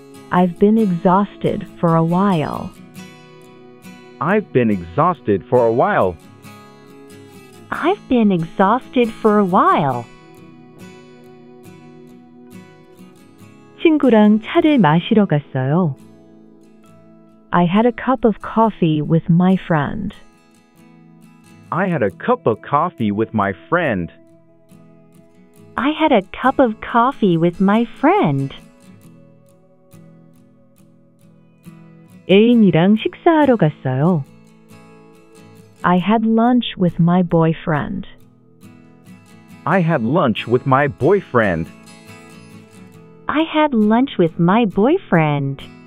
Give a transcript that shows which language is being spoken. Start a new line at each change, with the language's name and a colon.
English: I've been exhausted for a while. I've been exhausted for a while. I've been exhausted for a while.
Korean: 친구랑 차를 마시러 갔어요.
English: I had a cup of coffee with my friend. I had a cup of coffee with my friend. I had a cup of coffee with my friend.
Korean: 애인이랑 식사하러 갔어요.
English: I had lunch with my boyfriend. I had lunch with my boyfriend. I had lunch with my boyfriend.